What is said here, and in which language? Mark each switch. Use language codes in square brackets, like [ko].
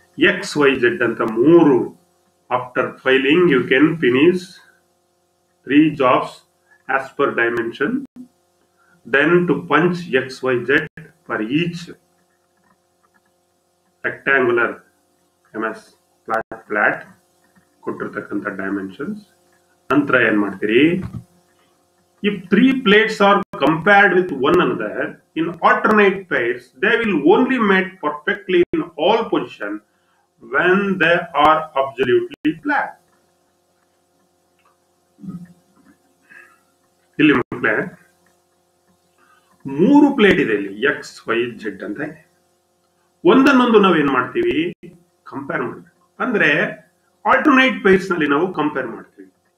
[en] X Y Z ಅಂತ ಮೂರು, after filing you can finish three jobs as per dimension, then to punch X Y Z for each rectangular MS flat ಕೊಟ್ಟಿರ್ತಕ್ಕಂಥ dimensions. [kn] ನಂತರ ಏನ್ ಮಾಡ್ತೀರಿ? [en] If three plates are compared with one another, in alternate pairs, they will only mate perfectly in all positions when they are absolutely flat. [kn] ಇಲ್ಲಿ ಮಕ್ಕಳೇ ಮೂರು plate ಇದೆ ಇಲ್ಲಿ X Y Z ಅಂತ ಇದೆ. ಒಂದನ್ನೊಂದು ನಾವೇನ್ ಮಾಡ್ತೀವಿ ಕಂಪೇರ್ ಮಾಡ್ಬೇಕು, ಅಂದ್ರೆ ಆಲ್ಟರ್ನೇಟ್ ಪೇರ್ಸ್ ನಲ್ಲಿ ನಾವು ಕಂಪೇರ್ ಮಾಡ್ತೀವಿ.